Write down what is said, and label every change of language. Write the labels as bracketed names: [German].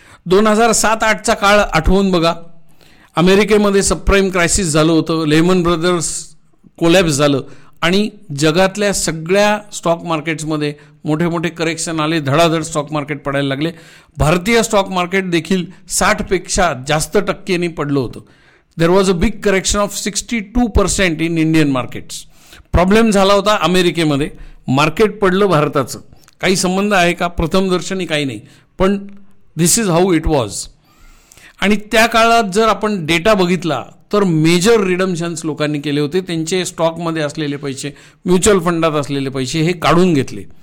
[Marathi] 2007-08 काळ आठवून बघा. अमेरिकेमध्ये सबप्राईम क्रायसिस झालं होतं, लेमन ब्रदर्स कोलॅप्स झालं आणि जगातल्या सगळ्या स्टॉक मार्केट्समध्ये मोठे मोठे करेक्शन आले, धडाधड स्टॉक मार्केट पडायला लागले. भारतीय स्टॉक मार्केट देखील 60% पडलं होतं. [English] There was a big correction of 62% in Indian markets. [Marathi] Problem झाला होता अमेरिकेमध्ये, मार्केट पडलं भारताचं. काही संबंध आहे का? प्रथमदर्शनी काही नाही, पण [English] This is how it was. [Marathi] आणि त्या काळात जर आपण डेटा बघितला तर मेजर रिडम्शन्स लोकांनी केले होते, त्यांचे स्टॉकमध्ये असलेले पैसे, म्युच्युअल फंडात असलेले पैसे हे काढून घेतले.